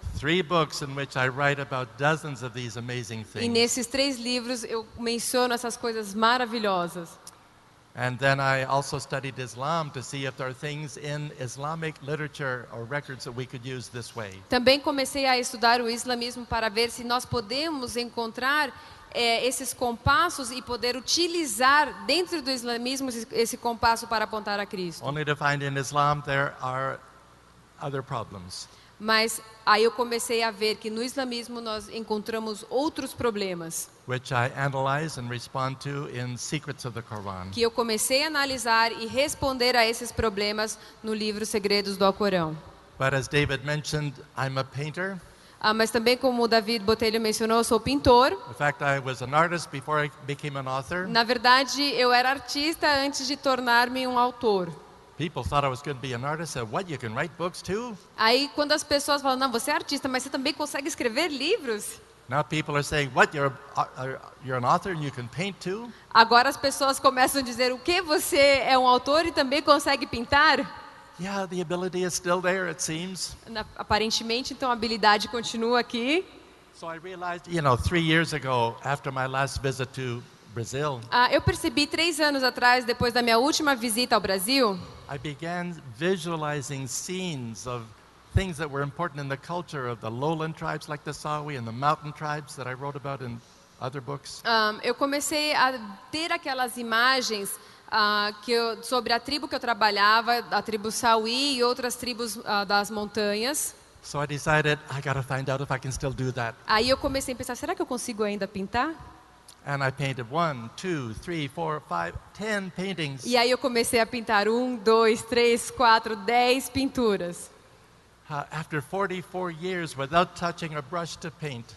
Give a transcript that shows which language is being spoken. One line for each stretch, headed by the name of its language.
English: Three books in which I write about dozens of these amazing things.
Portuguese: E nesses três livros eu menciono essas coisas maravilhosas.
English: And then I also studied Islam to see if there are things in Islamic literature or records that we could use this way.
Portuguese: Também comecei a estudar o islamismo para ver se nós podemos encontrar esses compassos e poder utilizar dentro do islamismo esse compasso para apontar a Cristo.
English: Only to find in Islam there are other problems.
Portuguese: Mas aí eu comecei a ver que no islamismo nós encontramos outros problemas.
English: Which I analyze and respond to in Secrets of the Quran.
Portuguese: Que eu comecei a analisar e responder a esses problemas no livro Segredos do Alcorão.
English: But as David mentioned, I'm a painter.
Portuguese: Mas também como o David Botelho mencionou, eu sou pintor.
English: In fact, I was an artist before I became an author.
Portuguese: Na verdade, eu era artista antes de tornar-me um autor.
English: People thought I was going to be an artist. Said, "What? You can write books too?"
Portuguese: Aí quando as pessoas falam, "Não, você é artista, mas você também consegue escrever livros?"
English: Now people are saying, "What? You're an author and you can paint too?"
Portuguese: Agora as pessoas começam a dizer, "O que? Você é um autor e também consegue pintar?"
English: Yeah, the ability is still there, it seems.
Portuguese: Aparentemente, então a habilidade continua aqui.
English: So I realized, you know, 3 years ago, after my last visit to Brazil.
Portuguese: Eu percebi 3 anos atrás, depois da minha última visita ao Brasil,
English: I began visualizing scenes of things that were important in the culture of the lowland tribes like the Sawi and the mountain tribes that I wrote about in other books.
Portuguese: Eu comecei a ter aquelas imagens sobre a tribo que eu trabalhava, a tribo Sawi e outras tribos das montanhas.
English: So I decided I got to find out if I can still do that.
Portuguese: Aí eu comecei a pensar, será que eu consigo ainda pintar?
English: And I painted 1, 2, 3, 4, 5, 10 paintings.
Portuguese: E aí eu comecei a pintar 1, 2, 3, 4, 10 pinturas.
English: After 44 years without touching a brush to paint.